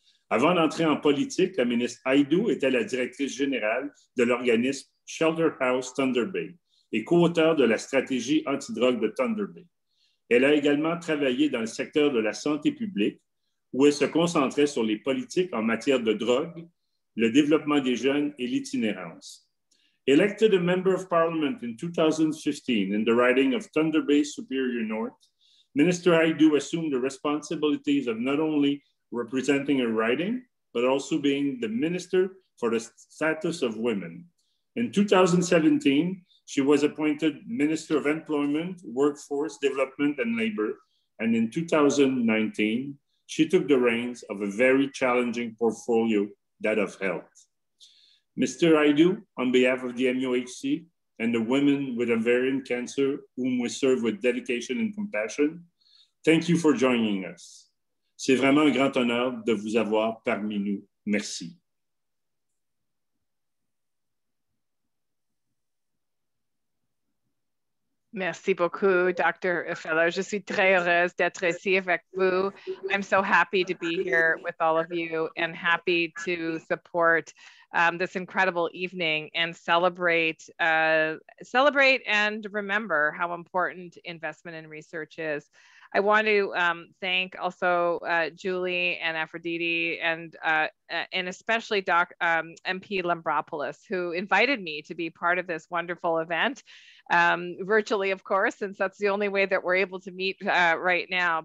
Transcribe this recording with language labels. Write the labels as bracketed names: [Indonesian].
[French] Avant d'entrer en politique, la ministre Hajdu était la directrice générale de l'organisme Shelter House Thunder Bay et co-auteur de la stratégie antidrogue de Thunder Bay. Elle a également travaillé dans le secteur de la santé publique, où elle se concentrait sur les politiques en matière de drogue, le développement des jeunes et l'itinérance. [English] Elected a Member of Parliament in 2015 in the riding of Thunder Bay Superior North, Minister Hajdu assumed the responsibilities of not only representing her riding, but also being the Minister for the Status of Women. In 2017, she was appointed Minister of Employment, Workforce Development and Labor, and in 2019, she took the reins of a very challenging portfolio, that of health. Mr. Hajdu, on behalf of the MUHC and the women with ovarian cancer whom we serve with dedication and compassion, thank you for joining us. [French] C'est vraiment un grand honneur de vous avoir parmi nous. Merci. Merci beaucoup, Dr. Gfeller. Je suis très heureuse d'être ici avec vous. [English] I'm so happy to be here with all of you and happy to support this incredible evening and celebrate and remember how important investment in research is. I want to thank also Julie and Aphrodite and especially Doc MP Lambropoulos, who invited me to be part of this wonderful event, virtually, of course, since that's the only way that we're able to meet right now.